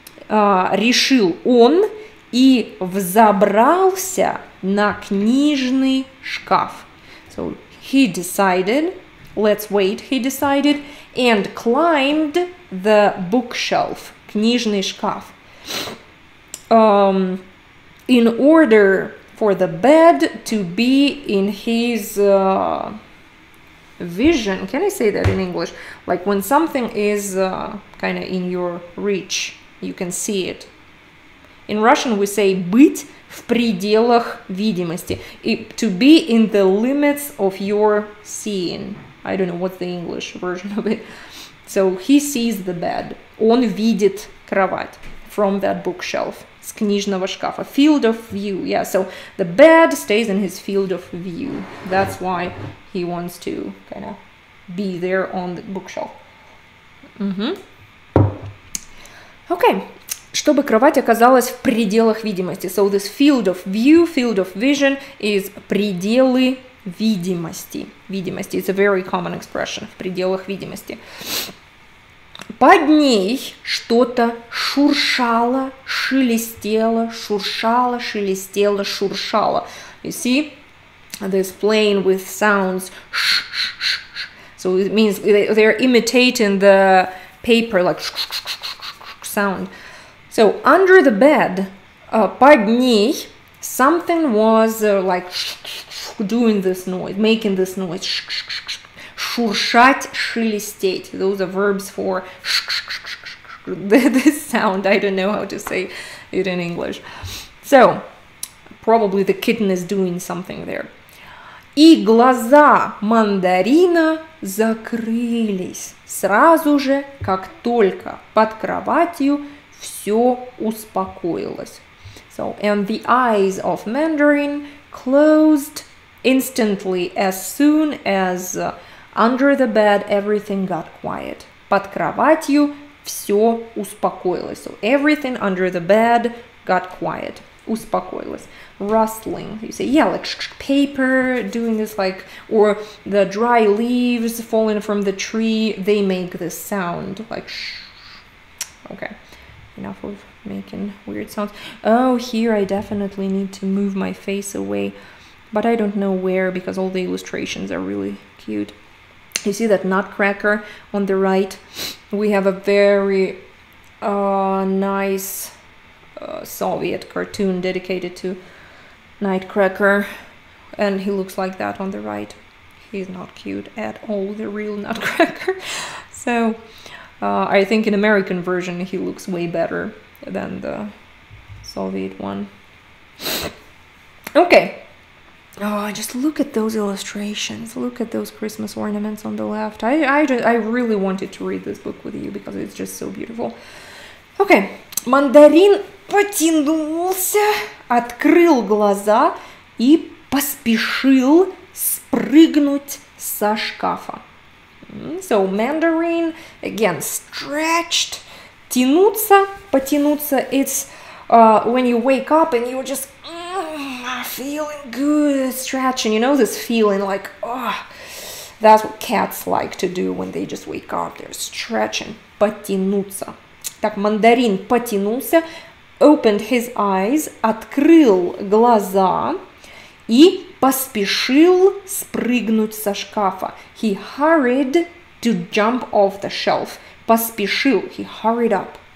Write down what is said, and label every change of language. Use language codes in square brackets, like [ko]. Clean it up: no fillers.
[ru] Решил он и взобрался на книжный шкаф. [en] So he decided, let's wait, he decided, and climbed the bookshelf, [ru] книжный шкаф. [en] In order for the bed to be in his... vision, can I say that in English? Like when something is kind of in your reach, you can see it. In Russian, we say [ru] быть в пределах видимости. [en] To be in the limits of your seeing. I don't know what's the English version of it. So he sees the bed. [ru] Он видит кровать [en] from that bookshelf. [ru] С книжного шкафа. [en] Field of view. Yeah, so the bed stays in his field of view. That's why he wants to kind of be there on the bookshelf. Mm-hmm. Okay. [ru] Чтобы кровать оказалась в пределах видимости. [en] So this field of view, field of vision is [ru] пределы видимости. Видимости. [en] It's a very common expression. [ru] В пределах видимости. Под ней что-то шуршало, шуршало. [en] You see? This plane with sounds sh, sh, sh, sh. So it means they're imitating the paper, like sh, sh, sh, sh, sh, sh, sound. So under the bed, [ru] под ней, [en] something was like sh, sh, sh, doing this noise, making this noise. Sh, sh, sh, sh. [ru] Шуршать, шелестеть. [en] Those are verbs for sh, sh, sh, sh, sh, sh. This sound. I don't know how to say it in English. So, probably the kitten is doing something there. [ru] И глаза мандарина закрылись сразу же, как только под кроватью все успокоилось. [en] So, and the eyes of Mandarin closed instantly as soon as under the bed everything got quiet. [ru] Под кроватью все успокоилось. [en] So, everything under the bed got quiet. [ru] Успокоилось. [en] Rustling, you say, yeah, like paper doing this, like, or the dry leaves falling from the tree, they make this sound, like, shh. Okay, enough of making weird sounds. Oh, here I definitely need to move my face away, but I don't know where because all the illustrations are really cute. You see that nutcracker on the right? We have a very nice Soviet cartoon dedicated to Nutcracker, and he looks like that on the right. He's not cute at all, the real Nutcracker. So I think in American version he looks way better than the Soviet one. Okay. Oh, just look at those illustrations. Look at those Christmas ornaments on the left. I really wanted to read this book with you because it's just so beautiful. Okay. [ru] Мандарин потянулся, открыл глаза и поспешил спрыгнуть со шкафа. [en] So, Mandarin, again, stretched. [ru] Тянуться, потянуться, [en] it's when you wake up and you're just feeling good, stretching. You know this feeling like, oh, that's what cats like to do when they just wake up. They're stretching. [ru] Потянуться. Так, мандарин потянулся, [en] opened his eyes, [ru] открыл глаза и поспешил спрыгнуть со шкафа. [en] He hurried to jump off the shelf. [ru] Поспешил. [en] He hurried up.